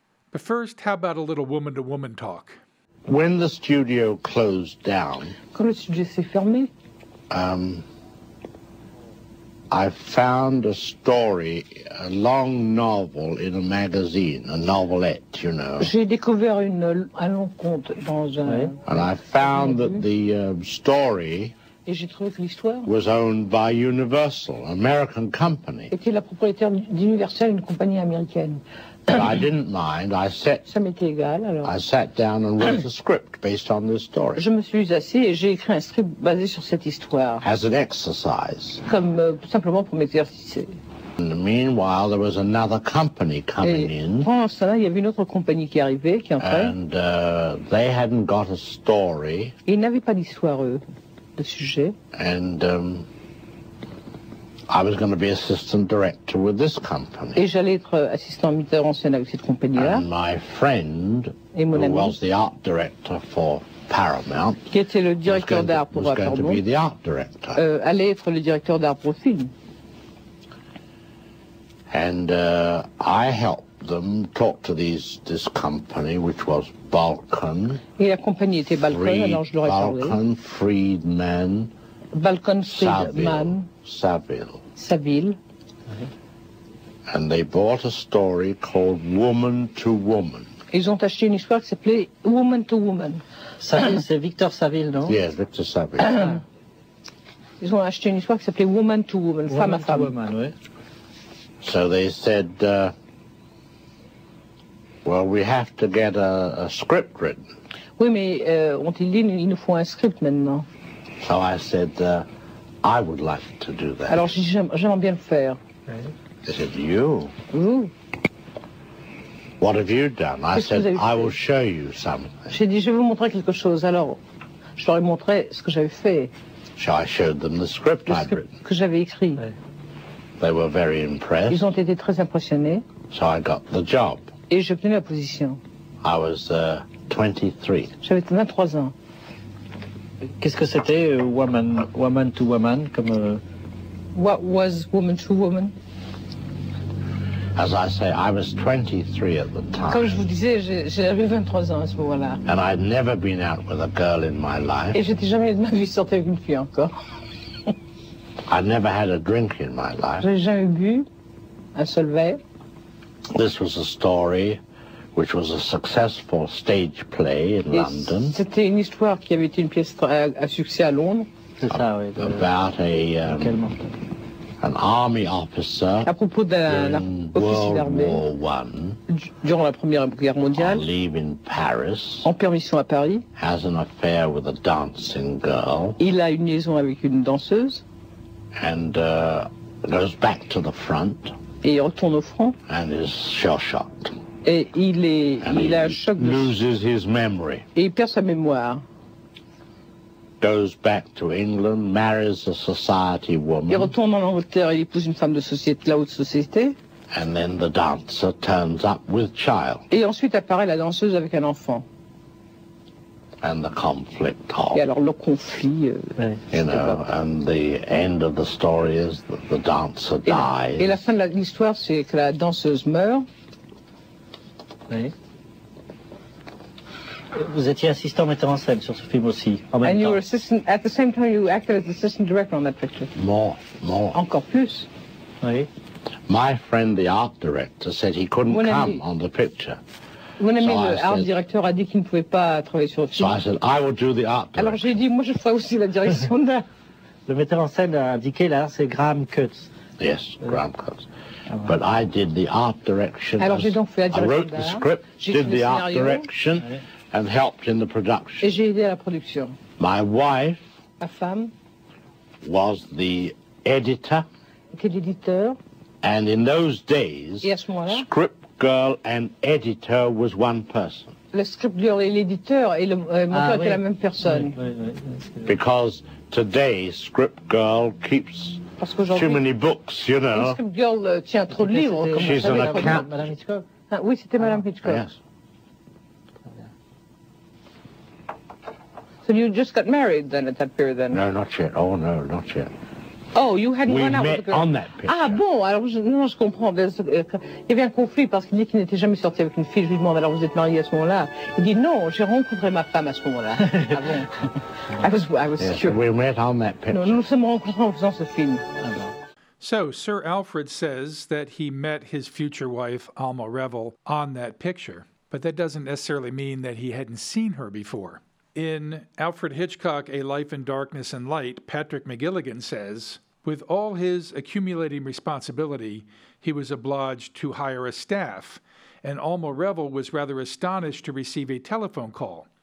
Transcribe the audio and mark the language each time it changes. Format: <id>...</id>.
<en>But first, how about a little woman-to-woman talk? When the studio closed down...</en> <fr>Quand le studio s'est fermé?</fr> <en>I found a story, a long novel in a magazine, a novelette, you know.</en> <fr>J'ai découvert une, un long conte dans un...</fr> <en>And I found that the story...</en> <fr>Et j'ai trouvé que l'histoire</fr> <en>was owned by Universal, American company.</en> <fr>Était la propriétaire d'Universal, une compagnie américaine.</fr> <en>But I didn't mind.</en> <fr>Ça m'était égal, alors.</fr> <en>I sat down and wrote a script based on this story.</en> <fr>Je me suis assis et j'ai écrit un script basé sur cette histoire.</fr> <en>As an exercise.</en> <fr>Comme simplement pour m'exercer.</fr> <en>In the meanwhile, there was another company coming in.</en> <fr>Ça, là, il y avait une autre compagnie qui arrivait, qui entrait.</fr> <en>And they hadn't got a story.</en> <fr>Ils n'avaient pas d'histoire, eux. Sujet.</fr> <en>And I was going to be assistant director with this company.</en> <fr>Et j'allais être assistant metteur en scène avec cette compagnie-là.</fr> <en>And my friend, who was the art director for Paramount,</en> <fr>qui était le directeur d'art pour</fr> <en>Paramount, was going to be the art director.</en> <fr>Allait être le directeur d'art pour film.</fr> <en>And I helped them talk to this company, which was Balkan.</en> <fr>Et la compagnie était Balkan, Freed, alors je l'aurais Balkan, parlé. Balkan, Friedman. Balkan, Friedman. Saville. Mm-hmm.</fr> <en>And they bought a story called Woman to Woman.</en> <fr>Ils ont acheté une histoire qui s'appelait Woman to Woman. Saville, c'est Victor Saville, non?</fr> <en>Yes, Victor Saville.</en> <fr>Ils ont acheté une histoire qui s'appelait Woman to Woman,</fr> <en>woman</en> <fr>femme</fr> <en>to</en> <fr>à femme. Woman, oui.</fr> <en>So they said, well, we have to get a script written.</en> <fr>Oui, mais ont-ils dit qu'il nous faut un script maintenant?</fr> <en>So I said, I would like to do that.</en> <fr>Alors j'ai dit, j'aimerais bien le faire.</fr> <en>They said, you?</en> <fr>Vous?</fr> <en>What have you done? I said, I will show you something.</en> <fr>J'ai dit, je vais vous montrer quelque chose. Alors, je leur ai montré ce que j'avais fait.</fr> <en>So I showed them the script I'd written.</en> <fr>Que j'avais écrit. Oui.</fr> <en>They were very impressed.</en> <fr>Ils ont été très impressionnés.</fr> <en>So I got the job.</en> <fr>Et j'ai obtenu la position.</fr> <en>I was 23.</en> <fr>J'avais 23 ans. Qu'est-ce que c'était, woman to woman, comme...</fr> <en>What was woman to woman? As I say, I was 23 at the time.</en> <fr>Comme je vous disais, j'avais 23 ans à ce moment-là.</fr> <en>And I'd never been out with a girl in my life.</en> <fr>Et j'étais jamais de ma vie sorti avec une fille encore.</fr> <en>I'd never had a drink in my life.</en> <fr>J'ai jamais bu un seul verre.</fr> <en>This was a story which was a successful stage play in London.</en> <fr>C'était une histoire qui avait été une pièce à succès à Londres. C'est ça, oui.</fr> <en>About a... an army officer</en> <fr>à propos d'un officier d'armée durant la Première Guerre mondiale,</fr> <en>leave in Paris,</en> <fr>en permission à Paris,</fr> <en>has an affair with a dancing girl,</en> <fr>il a une liaison avec une danseuse,</fr> <en>and goes back to the front,</en> <fr>et il retourne au front,</fr> <en>and is shell-shocked,</en> <fr>et il est</fr> <en>and</en> <fr>il a un choc de</fr> <en>loses his memory,</en> <fr>et il perd sa mémoire.</fr> <en>Goes back to England, marries a society woman.</en> <fr>Il retourne en Angleterre et épouse une femme de société, la haute société.</fr> <en>And then the dancer turns up with child.</en> <fr>Et ensuite apparaît la danseuse avec un enfant.</fr> <en>And the conflict.</en> <fr>Et alors le conflit.</fr> <en>You know, and the end of the story is that the dancer dies.</en> <fr>Et la fin de l'histoire, c'est que la danseuse meurt. Oui. Vous étiez assistant metteur en scène sur ce film aussi, en même</fr> <en>and You were assistant, at the same time you acted as assistant director on that picture. More.</en> <fr>Encore plus. Oui.</fr> <en>My friend, the art director, said he couldn't</en> <fr>mon</fr> <en>come</en> <fr>ami,</fr> <en>on the picture.</en> <fr>Mon ami, so le art directeur a dit qu'il ne pouvait pas travailler sur le film.</fr> <en>So I said, I will do the art director.</en> <fr>Alors j'ai dit, moi je ferai aussi la direction d'art. Le metteur en scène a indiqué, là, c'est Graham Cutts.</fr> <en>Yes, Graham Cutts. But I did the art direction.</en> <fr>Alors j'ai donc fait la direction</fr> <en>d'art. I wrote the script, did the art direction. Oui. And helped in the production.</en> <fr>Et j'ai aidé à la production.</fr> <en>My wife,</en> <fr>ma femme,</fr> <en>was the editor.</en> <fr>Était l'éditeur.</fr> <en>And in those days,</en> <fr>et à ce moment-là,</fr> <en>script girl and editor was one person.</en> <fr>Le script girl et l'éditeur et le monteur étaient la même personne. Oui.</fr> <en>Because today script girl keeps too many books, you know.</en> <fr>Le script girl tient trop de livres. Comme</fr> <en>she's</en> <fr>savez,</fr> <en>an accountant.</en> <fr>Madame Hitchcock. Ah, oui, c'était Madame Hitchcock.</fr> <en>Yes. So you just got married then at that period then? No, not yet. Oh, no, not yet. Oh, you hadn't we run out met with a girl. On that picture.</en> <fr>Ah, bon, alors je comprends. Il y avait un conflit parce qu'il dit qu'il n'était jamais sorti avec une fille. Je lui demande, alors vous êtes marié à ce moment-là. Il dit, non, j'ai rencontré ma femme à ce moment-là. Ah, bon.</fr> <en>I was yes, sure. We met on that picture.</en> <fr>Non, nous sommes rencontrés en faisant ce film.</fr> <en>So, Sir Alfred says that he met his future wife, Alma Revel, on that picture. But that doesn't necessarily mean that he hadn't seen her before. In Alfred Hitchcock, A Life in Darkness and Light, Patrick McGilligan says, with all his accumulating responsibility, he was obliged to hire a staff, and Alma Revel was rather astonished to receive a telephone call.</en>